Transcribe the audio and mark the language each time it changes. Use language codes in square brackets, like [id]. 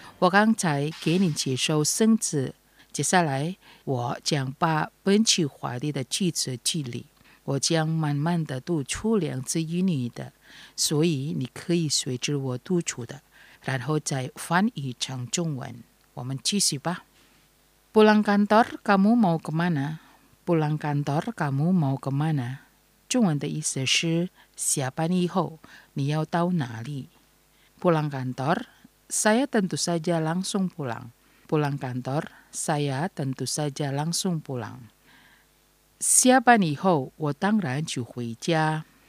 [zh] 我刚才给您介绍生字，接下来我将把本期话题的句子记录，我将慢慢的读出两字英语的，所以你可以随着我读出的，然后再翻译成中文。我们继续吧。 [id] Pulang kantor kamu mau kemana? Pulang kantor kamu mau kemana? [zh] 中文的意思是下班以后你要到哪里。 [id] Pulang kantor saya tentu saja langsung pulang. Pulang kantor saya tentu saja langsung pulang. [zh] 下班以后我当然就回家。